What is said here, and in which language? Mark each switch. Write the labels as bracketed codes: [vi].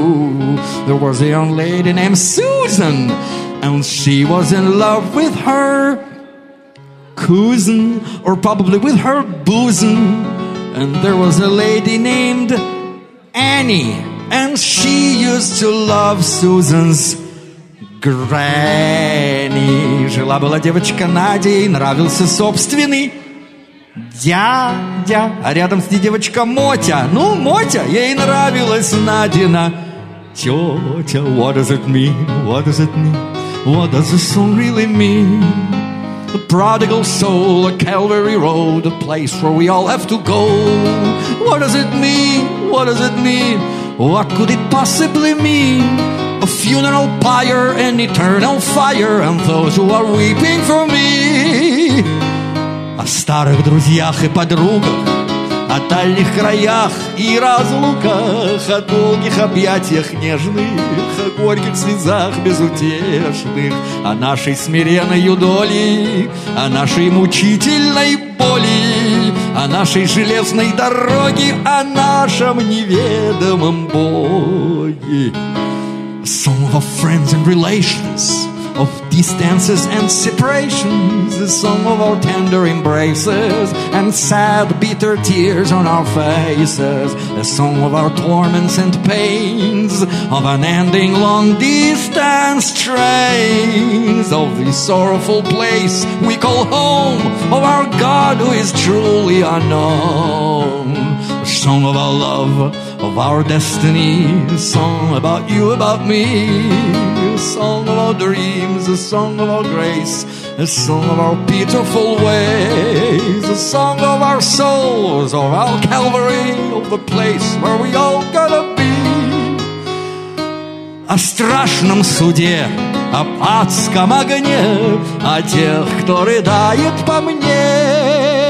[en] There was a young lady named Susan, and she was in love with her cousin, or probably with her bosom. And there was a lady named Annie, and she used to love Susan's granny. [ru] Жила была девочка Надя, и нравился собственный дядя. А рядом с ней девочка Мотя. Ну, Мотя, ей нравилась Надина тетя. [en] What does it mean? What does it mean? What does this song really mean? A prodigal soul, a Calvary road, a place where we all have to go. What does it mean? What does it mean? What could it possibly mean? A funeral pyre, an eternal fire, and those who are weeping for me. [ru] О старых друзьях и подругах, о дальних краях и разлуках, о долгих объятиях нежных, о горьких слезах безутешных, о нашей смиренной юдоли, о нашей мучительной боли, о нашей железной дороге, о нашем неведомом Боге. [en] Song of our friends and relations, of distances and separations, the song of our tender embraces and sad, bitter tears on our faces, the song of our torments and pains, of unending long-distance trains, of this sorrowful place we call home, of our God who is truly unknown, the song of our love, of our destiny, a song about you, about me, a song of our dreams, a song of our grace, a song of our pitiful ways, a song of our souls, of our Calvary, of the place where we all gotta be. [ru] О страшном суде, об адском огне, о тех, кто рыдает по мне.